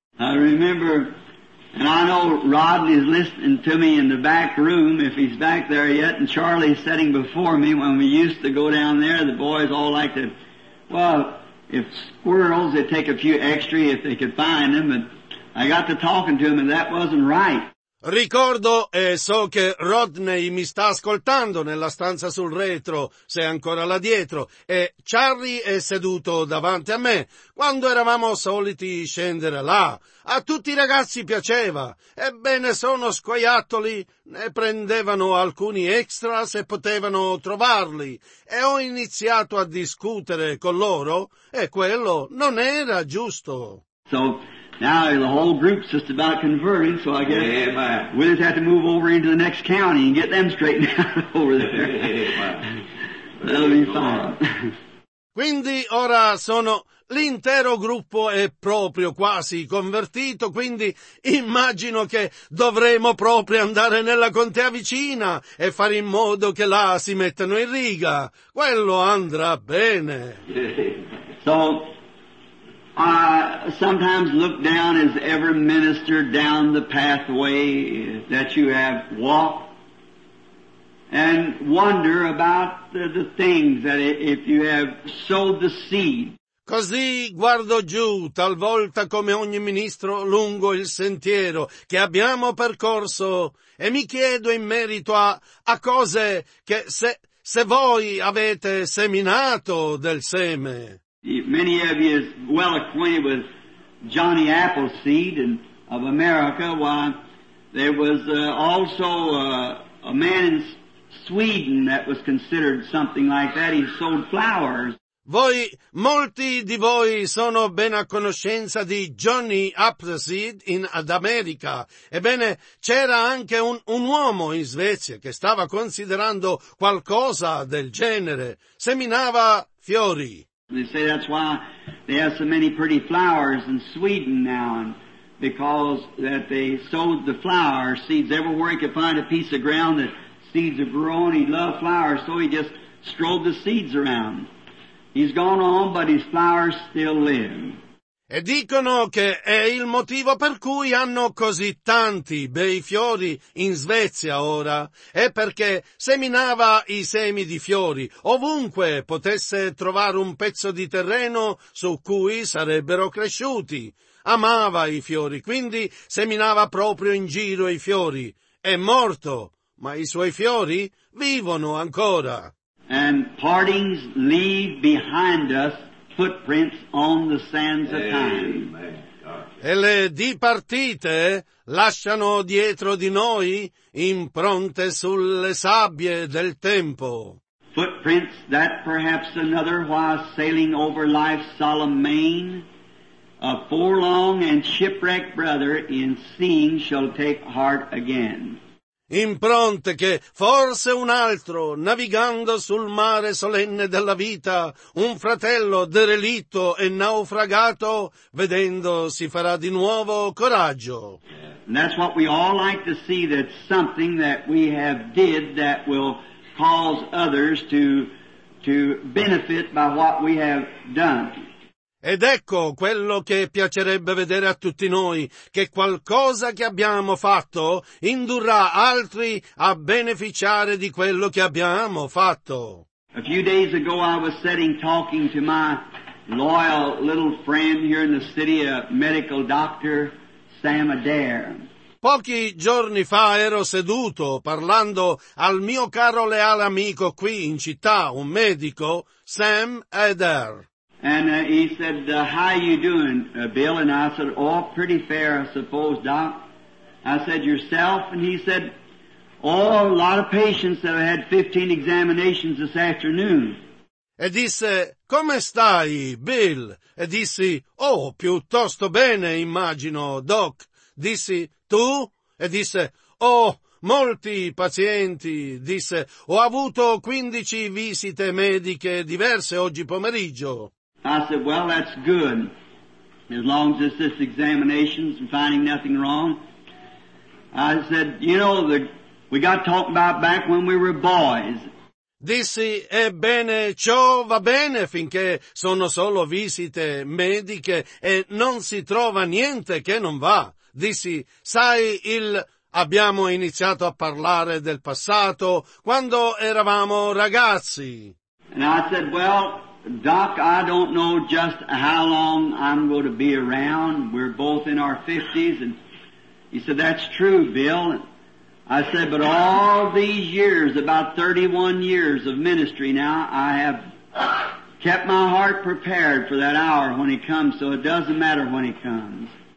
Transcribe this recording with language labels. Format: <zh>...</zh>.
<en>I remember, and I know Rodney is listening to me in the back room, if he's back there yet, and Charlie's sitting before me. When we used to go down there, the boys all liked it. Well, if squirrels, they'd take a few extra if they could find them, but I got to talking to him, and that wasn't right.</en> <it>Ricordo e so che Rodney mi sta ascoltando nella stanza sul retro, se ancora là dietro, e Charlie è seduto davanti a me, quando eravamo soliti scendere là. A tutti i ragazzi piaceva, ebbene sono scoiattoli, ne prendevano alcuni extra se potevano trovarli, e ho iniziato a discutere con loro, e quello non era giusto.</it> <en>So... Now the whole group's just about converting, so I guess we'll just have to move over into the next county and get them straightened out over there. That'll be fine.</en> <it>Quindi ora sono l'intero gruppo è proprio quasi convertito, quindi immagino che dovremo proprio andare nella contea vicina e fare in modo che là si mettano in riga. Quello andrà bene.</it> <en>So. I sometimes look down as every minister down the pathway that you have walked and wonder about the things that if you have sowed the seed.</en> <it>Così guardo giù, talvolta come ogni ministro lungo il sentiero che abbiamo percorso, e mi chiedo in merito a cose che se voi avete seminato del seme.</it> <en>Many of you is well acquainted with Johnny Appleseed and of America. Why, there was also a man in Sweden that was considered something like that. He sold flowers.</en> <it>Voi, molti di voi sono ben a conoscenza di Johnny Appleseed in ad America. Ebbene, c'era anche un uomo in Svezia che stava considerando qualcosa del genere. Seminava fiori.</it> <en>They say that's why they have so many pretty flowers in Sweden now, and because that they sowed the flower seeds everywhere he could find a piece of ground that seeds are growing. He loved flowers, so he just strolled the seeds around. He's gone on, but his flowers still live.</en> <it>E dicono che è il motivo per cui hanno così tanti bei fiori in Svezia ora, è perché seminava i semi di fiori ovunque potesse trovare un pezzo di terreno su cui sarebbero cresciuti. Amava i fiori, quindi seminava proprio in giro i fiori. È morto, ma i suoi fiori vivono ancora.</it> <en>And partings leave behind us footprints on the sands of time.</en> <it>E le dipartite lasciano dietro di noi impronte sulle sabbie del tempo.</it> <en>Footprints that perhaps another while sailing over life's solemn main, a forlorn and shipwrecked brother in seeing shall take heart again.</en> <it>Impronte che forse un altro, navigando sul mare solenne della vita, un fratello derelitto e naufragato, vedendo si farà di nuovo coraggio.</it> <en>And that's what we all like to see, that something that we have did that will cause others to benefit by what we have done.</en> <it>Ed ecco quello che piacerebbe vedere a tutti noi, che qualcosa che abbiamo fatto indurrà altri a beneficiare di quello che abbiamo fatto.</it> <en>A few days ago I was sitting talking to my loyal little friend here in the city, a medical doctor, Sam Adair.</en> <it>Pochi giorni fa ero seduto parlando al mio caro leale amico qui in città, un medico, Sam Adair.</it> <en>And he said, how you doing, Bill? And I said, oh, pretty fair, I suppose, Doc. I said, yourself? And he said, oh, a lot of patients that have had 15 examinations this afternoon.</en> <it>E disse, come stai, Bill? E dissi, oh, piuttosto bene, immagino, Doc. Dissi, tu? E disse, oh, molti pazienti. Disse, ho avuto 15 visite mediche diverse oggi pomeriggio.</it> <en>I said, well, that's good, as long as it's this examinations and finding nothing wrong. I said, you know, we got talked about back when we were boys.</en> <it>Dissi, ebbene, ciò va bene finché sono solo visite mediche e non si trova niente che non va. Dissi, sai, abbiamo iniziato a parlare del passato quando eravamo ragazzi.</it> <en>And I said, well, Doc, I don't know just how long I'm going to be around. We're both in our 50s. And he said, that's true, Bill. And I said, but all these years, about 31 years of ministry now, I have kept my heart prepared for that hour when he comes, so it doesn't matter when he comes.</en>